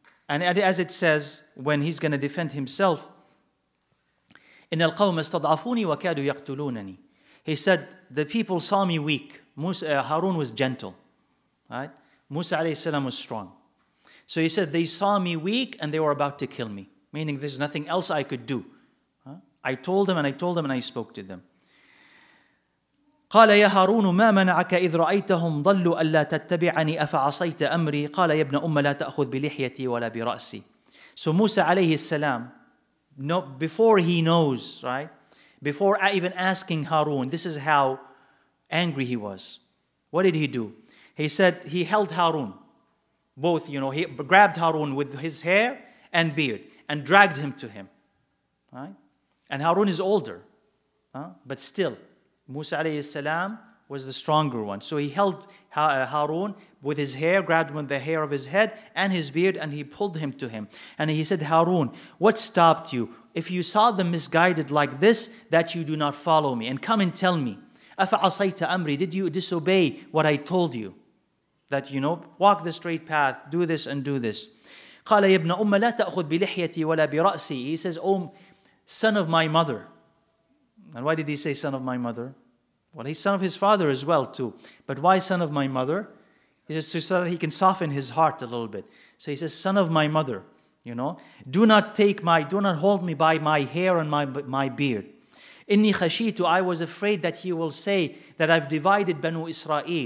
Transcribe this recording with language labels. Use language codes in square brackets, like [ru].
[en] And as it says, when he's going to defend himself, [ar] إِنَّ الْقَوْمَ اسْتَضْعَفُونِي وَكَادُوا يَقْتُلُونَنِي [en] He said, the people saw me weak. Harun was gentle. Right? Musa alayhi salam was strong. So he said, they saw me weak and they were about to kill me. Meaning there's nothing else I could do. I told them and I told them and I spoke to them. [ar] قَالَ يَا هَارُونُ مَا مَنَعَكَ إِذْ رَأَيْتَهُمْ ضَلُّوا أَلَّا تَتَّبِعَنِي أَفَعَصَيْتَ أَمْرِي قَالَ يَا ابْنَ أُمَّ لَا تَأْخُذْ بِلِحْيَتِي وَلَا بِرَأْسِي [en] So Musa alayhi salam, before he knows, right? Before even asking Harun, this is how angry he was. What did he do? He said he held Harun. Both, you know, he grabbed Harun with his hair and beard and dragged him to him. Right? And Harun is older, but still, Musa alayhi salam was the stronger one. So he held Harun with his hair, grabbed him with the hair of his head and his beard, and he pulled him to him. And he said, Harun, what stopped you? If you saw them misguided like this, that you do not follow me. And come and tell me, [ar] أَفَعَصَيْتَ أَمْرِي [en] Did you disobey what I told you? That, you know, walk the straight path, do this and do this. [ar] قَالَ يَبْنَ أُمَّ لَا تَأْخُذْ بِلِحْيَتِي وَلَا بِرَأْسِي [en] He says, son of my mother. And why did he say son of my mother? Well, he's son of his father as well too. But why son of my mother? He says, so that he can soften his heart a little bit. So he says, son of my mother, you know, do not hold me by my hair and my beard. [ar] Inni khashitu, [en] I was afraid that he will say that I've divided Banu Israel